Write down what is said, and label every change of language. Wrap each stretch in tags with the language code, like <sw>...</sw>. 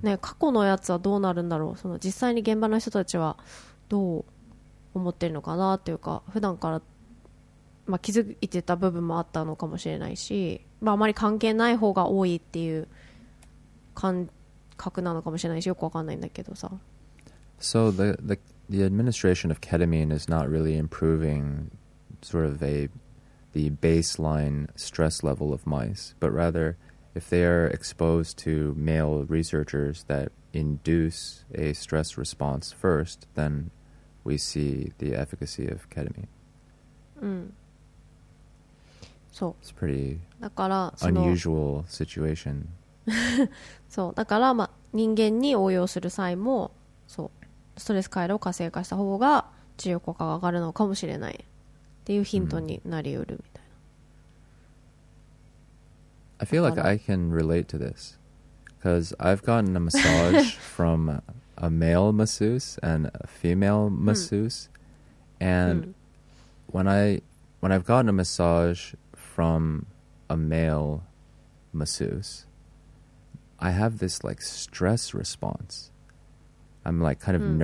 <ja>ね、過去のやつはどうなるんだろう、その実際に現場の人たちはどう思ってるのかなというか、普段から、まあ、気づいてた部分もあったのかもしれないし、まあ、あまり関係ない方が多いっていう感覚なのかもしれないし、よくわかんないんだけどさ。</ja> <en>So the administration of ketamine is not really improving sort of the baseline stress level of mice, but rather if they are exposed to male researchers that induce a stress response first, thenWe see the efficacy of ketamine.</en> <ja>うん。そう。</ja> <en>It's pretty unusual situation.</en> <ja>そう。だから、まあ、人間に応用する際も、そう。ストレス回路を活性化した方が治療効果が上がるのかもしれないっていうヒントになりうるみたいな。</ja> <en>I feel like I can relate to this because I've gotten a massage from a male masseuse and a female masseuse、うん、and、うん、when I've gotten a massage from a male masseuse I have this like stress responseI'm like kind of、mm.</en>